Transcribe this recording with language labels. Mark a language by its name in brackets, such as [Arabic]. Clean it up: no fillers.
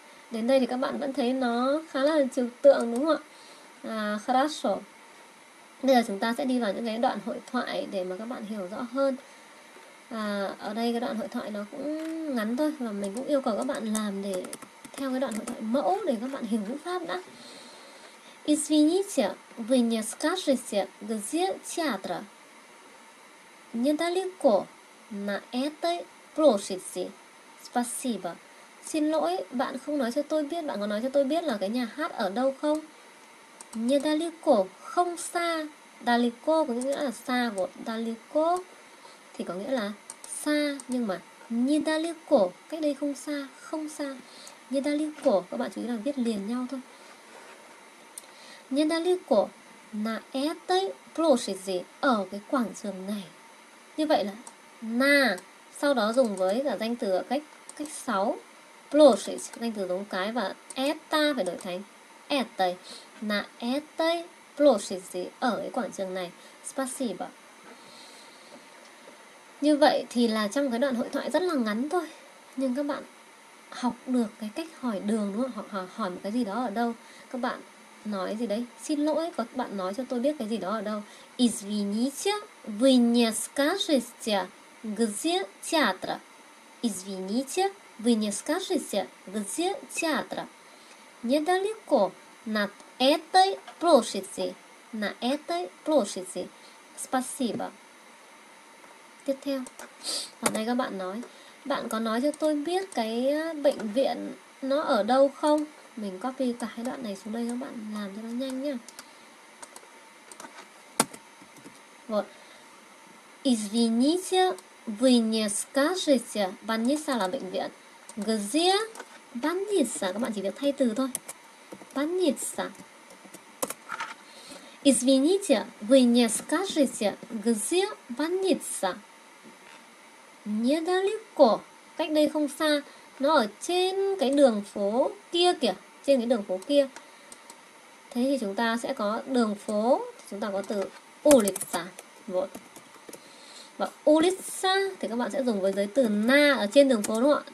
[Vietnamese] Đến đây thì các bạn vẫn thấy nó khá là trừu tượng đúng không ạ? [Russian] Хорошо. [Vietnamese] Bây giờ chúng ta sẽ đi vào những cái đoạn hội thoại để mà các bạn hiểu rõ hơn. Ở đây cái đoạn hội thoại nó cũng ngắn thôi, và mình cũng yêu cầu các bạn làm để theo cái đoạn hội thoại mẫu để các bạn hiểu ngữ pháp đã. [Russian] Извините, вы не скажете, где театр? Недалеко, на этой площади. Спасибо. [Vietnamese] Xin lỗi, bạn không nói cho tôi biết, bạn có nói cho tôi biết là cái nhà hát ở đâu không? Недалеко, không xa. Далеко có nghĩa là xa, của далеко thì có nghĩa là xa, nhưng mà недалеко, cách đây không xa, không xa. Недалеко, các bạn chú ý là viết liền nhau thôi. [Russian] Недалеко, на этой площади, [Vietnamese] ở cái quảng trường này. Như vậy là на, sau đó dùng với cả danh từ ở cách 6. Площадь, danh từ giống cái, và eta phải đổi thành этой. [Russian] На этой площади, [Vietnamese] ở cái quảng trường này. [Russian] Спасибо. [Vietnamese] Như vậy thì là trong cái đoạn hội thoại rất là ngắn thôi, nhưng các bạn học được cái cách hỏi đường đúng không? Hoặc hỏi một cái gì đó ở đâu. Các bạn nói gì đấy? Xin lỗi, các bạn nói cho tôi biết cái gì đó ở đâu. [Russian] Извините, вы не скажете, где театр? Извините, вы не скажете, где театр? Недалеко, над этой площади. На этой площади. Спасибо. [Vietnamese] Tiếp theo. Ở đây các bạn nói. Bạn có nói cho tôi biết cái bệnh viện nó ở đâu không? Mình copy cả cái đoạn này xuống đây các bạn làm cho nó nhanh nhá. [Russian] Вот. Извините, вы не скажете, больница [Vietnamese] là bệnh viện. [Russian] Где больница? [Vietnamese] Các bạn chỉ việc thay từ thôi. [Russian] Больница. Извините, вы не скажете, где больница? [Vietnamese] Недалеко. Cách đây không xa. Nó ở trên cái đường phố kia kìa. Trên cái đường phố kia. Thế thì chúng ta sẽ có đường phố. Chúng ta có từ улица. [Russian] Вот. [Vietnamese] Và улица thì các bạn sẽ dùng với giới từ на ở trên đường phố đúng không ạ?